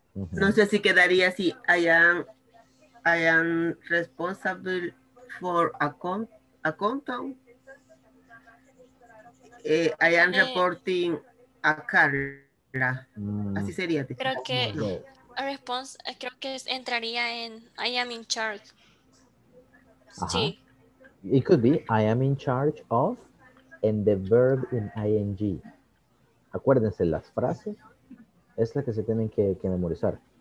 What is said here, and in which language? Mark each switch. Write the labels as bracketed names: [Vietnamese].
[Spanish] No sé si quedaría así. [English] I am responsible for accounting. I am reporting a Carla. [Spanish] Así sería. Creo que a response, creo que entraría en [English] I am in charge. [Spanish] Ajá. Sí. [English] It could be, I am in charge of, and the verb in ing. [Spanish] Acuérdense, las frases es la que se tienen que memorizar.